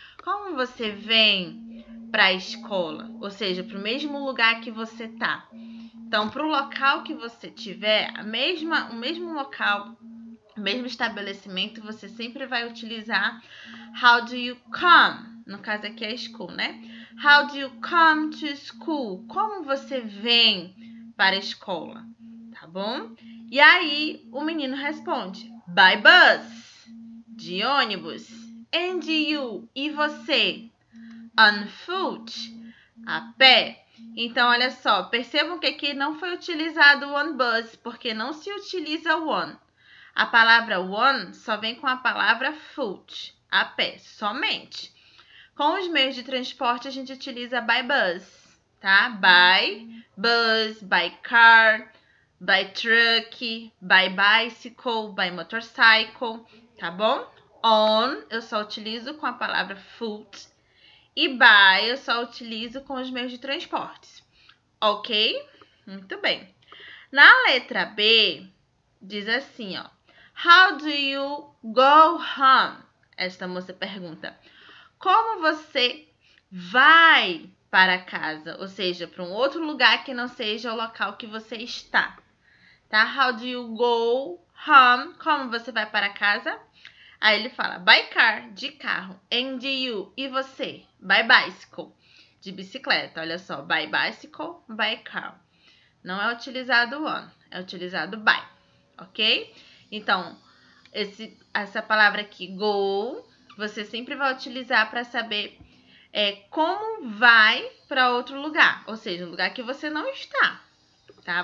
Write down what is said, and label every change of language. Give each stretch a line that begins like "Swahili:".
Portuguese: Como você vem para a escola? Ou seja, para o mesmo lugar que você está. Então, para o local que você tiver, o mesmo local, mesmo estabelecimento, você sempre vai utilizar
English: How do you come?
Portuguese: No caso aqui é school, né?
English: How do you come to school?
Portuguese: Como você vem para a escola? Tá bom? E aí o menino responde: By bus, de ônibus.
English: And you,
Portuguese: e você? On foot, a pé. Então, olha só, percebam que aqui não foi utilizado o on bus, porque não se utiliza o on. A palavra one só vem com a palavra foot, a pé, somente. Com os meios de transporte, a gente utiliza by bus, tá?
English: By bus, by car, by truck, by bicycle, by motorcycle, tá bom?
Portuguese: On, eu só utilizo com a palavra foot. E by, eu só utilizo com os meios de transportes. Ok? Muito bem. Na letra B, diz assim, ó.
English: How do you go home?
Portuguese: Esta moça pergunta. Como você vai para casa? Ou seja, para um outro lugar que não seja o local que você está. Tá?
English: How do you go home?
Portuguese: Como você vai para casa? Aí ele fala, by car, de carro.
English: And you,
Portuguese: e você? By bicycle, de bicicleta.
English: Olha só, by bicycle, by car.
Portuguese: Não é utilizado on, é utilizado by. Ok? Então, essa palavra aqui, go, você sempre vai utilizar para saber como vai para outro lugar, ou seja, um lugar que você não está, tá?